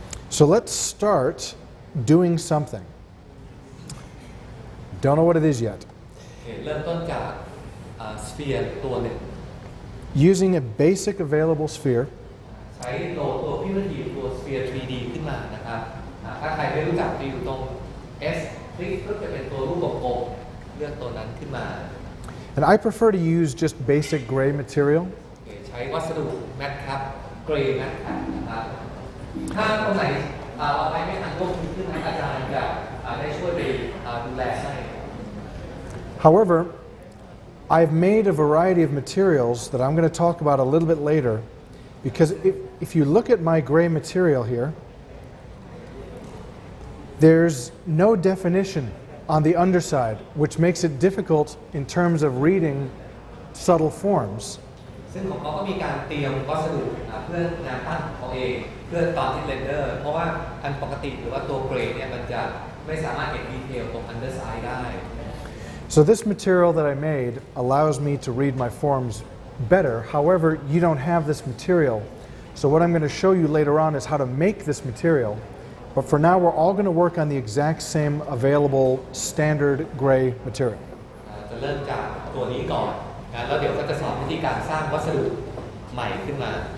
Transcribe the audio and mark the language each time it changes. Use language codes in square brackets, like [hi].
[en] So let's start doing something. Don't know what it is yet. Okay, start with a sphere. Using a basic available sphere. Use the basic sphere 3D. If you don't know, it's at the bottom. [th] S ก็จะเป็นตัวรูปกลมเลือกตัวนั้นขึ้นมา [en] And I prefer to use just basic gray material [th] ใช้วัสดุแมทครับ gray แมทครับถ้าคนไหนไม่ทันก็คือขึ้นอาจารย์จะได้ช่วยดูแลให้ [en] However I've made a variety of materials that I'm going to talk about a little bit later because if you look at my gray material here There's no definition on the underside, which makes it difficult in terms of reading subtle forms. [th] ซึ่งของเขาก็มีการเตรียมวัสดุเพื่องานตั้งของเองเพื่อตอนที่เรนเดอร์เพราะว่าอันปกติหรือว่าตัวเกรดเนี่ยมันจะไม่สามารถเห็นดีเทลตรง underside ได้ [en] So this material that I made allows me to read my formsBetter. However, you don't have this material. So what I'm going to show you later on is how to make this material. But for now, we're all going to work on the exact same available standard gray material. [th] จะเริ่มจากตัวนี้ก่อนนะแล้วเดี๋ยวก็จะสอนวิธีการสร้างวัสดุใหม่ขึ้นมา